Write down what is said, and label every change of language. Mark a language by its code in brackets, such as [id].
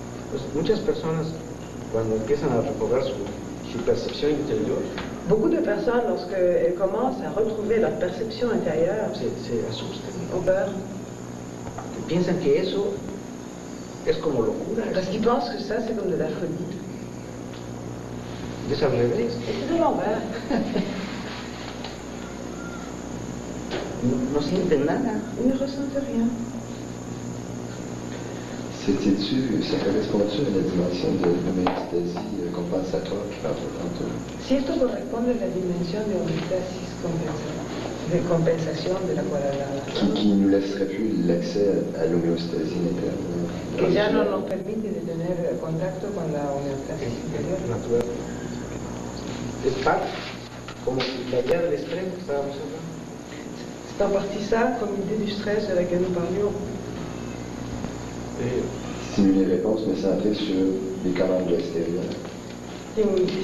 [es] Pues muchas personas cuando empiezan a recobrar su percepción interior, [fr] beaucoup de personnes lorsque elles commencent à retrouver leur perception intérieure, [es] se asustan, [fr] ont peur, [es] piensan que eso es como locura, [fr] parce qu'ils pensent que ça c'est comme de la folie. [es] Y es al revés, [fr] de l'envers. [es] No sienten nada, [fr] ils ne ressentent rien. Ça correspond-tu à la dimension de l'homéostasie compensatoire qui parle tantôt? [es] Si esto corresponde a la dimensión de homéostasis compensatoire, de compensación de la cual hablaba. [fr] Qui ne nous laisserait plus l'accès à l'homéostasie interne? [es] Que ya no nos permite de tener contacto con la homéostasie interior. Naturalmente. Es parte, como la idea del estrés que estábamos hablando. [fr] C'est en partie ça, comme l'idée du stress de laquelle nous parlions. Stimuler les réponses, mais centré sur les canaux extérieurs.